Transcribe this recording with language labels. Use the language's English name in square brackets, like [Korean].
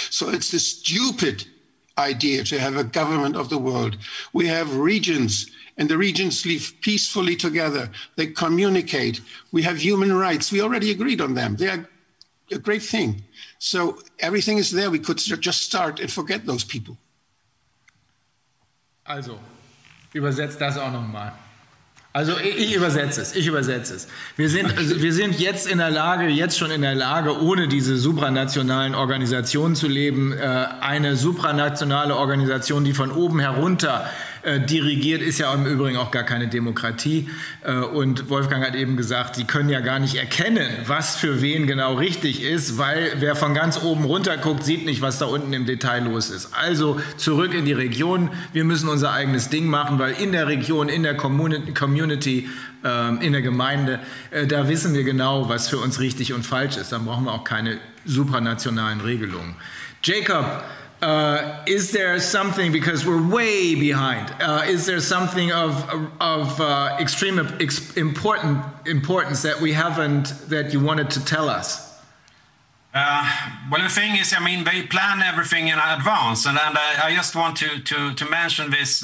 [English] So it's a stupid idea to have a government of the world. We have regions, and the regions live peacefully together. They communicate. We have human rights. We already agreed on them. They are a great thing. So everything is there. We could just start and forget those people. [German] Also, übersetzt das auch nochmal. Also ich übersetze es. Wir sind jetzt in der Lage, jetzt schon in der Lage, ohne diese supranationalen Organisationen zu leben. Eine supranationale Organisation, die von oben herunter dirigiert, ist ja im Übrigen auch gar keine Demokratie. Und Wolfgang hat eben gesagt, sie können ja gar nicht erkennen, was für wen genau richtig ist, weil wer von ganz oben runter guckt, sieht nicht, was da unten im Detail los ist. Also zurück in die Region. Wir müssen unser eigenes Ding machen, weil in der Region, in der Community, in der Gemeinde, da wissen wir genau, was für uns richtig und falsch ist. Dann brauchen wir auch keine supranationalen Regelungen. [English] Jacob, is there something, because we're way behind, is there something of extreme importance that we haven't, that you wanted to tell us? Well, the thing is, I mean, they plan everything in advance, and I just want to mention this.